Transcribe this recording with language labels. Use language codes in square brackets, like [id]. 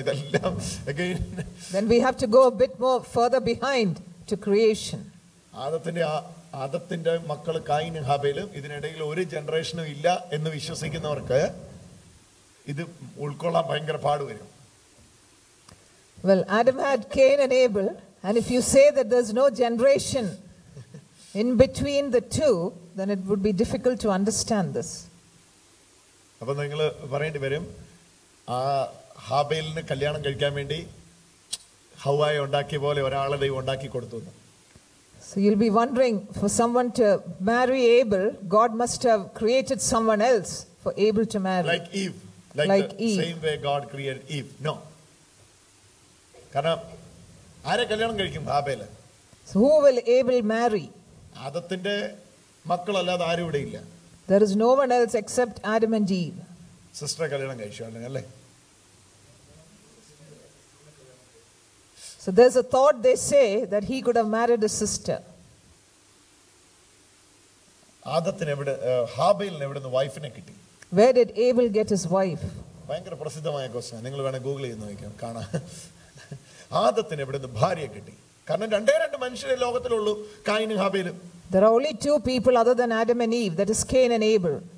[ml] ഇതെല്ലാം again, [en] then we have to go a bit more further behind to creation. [ml] ആദത്തിന്റെ മക്കൾ കായിനും ഹാബേലും ഇതിനിടയിൽ ഒരു ജനറേഷനും ഇല്ല എന്ന് വിശ്വസിക്കുന്നവർക്ക് ഇത് ഉൾക്കൊള്ളാൻ ഭയങ്കര പാട് വരും. [en] Well, Adam had Cain and Abel, and if you say that there's no generation in between the two, then it would be difficult to understand this. [ml] അപ്പോൾ നിങ്ങൾ പറയേണ്ടി വരും, ആ ഹാബേലിന് കല്യാണം കഴിക്കാൻ വേണ്ടി ഹവ്വായെ ഉണ്ടാക്കിയ പോലെ ഒരാളെ ദൈവം ഉണ്ടാക്കി കൊടുത്തു. [en] So you'll be wondering, for someone to marry Abel, God must have created someone else for Abel to marry. Like Eve. Like the Eve. Same way God created Eve. No. [ml] കാരണം ആരെ കല്യാണം കഴിക്കും? ഹാബേല്. [en] So who will Abel marry? [ml] ആദത്തിന്റെ മക്കളല്ലാതെ ആരും ഇവിടെ ഇല്ല. [en] There is no one else except Adam and Eve. [ml] Sister കല്യാണം കഴിച്ചു അല്ലേ? [en] So there's a thought, they say, that he could have married a sister. [ml] ആദത്തിന് എവിടെ ഹാബേലിന് എവിടെ നിന്ന് വൈഫിനെ കിട്ടി? [en] Where did Abel get his wife? [ml] ഭയങ്കര പ്രസിദ്ധമായ ക്വസ്റ്റ്യൻ, നിങ്ങൾ വേണം ഗൂഗിൾ ചെയ്ത് നോക്കാം, കാണാം. ആദത്തിന് എവിടെ നിന്ന് ഭാര്യ കിട്ടി? കാരണം രണ്ടേ രണ്ട് മനുഷ്യരെ ലോകത്തിലുള്ളൂ, കായിനും ഹാബേലും. [en] There are only two people other than Adam and Eve, that is Cain and Abel.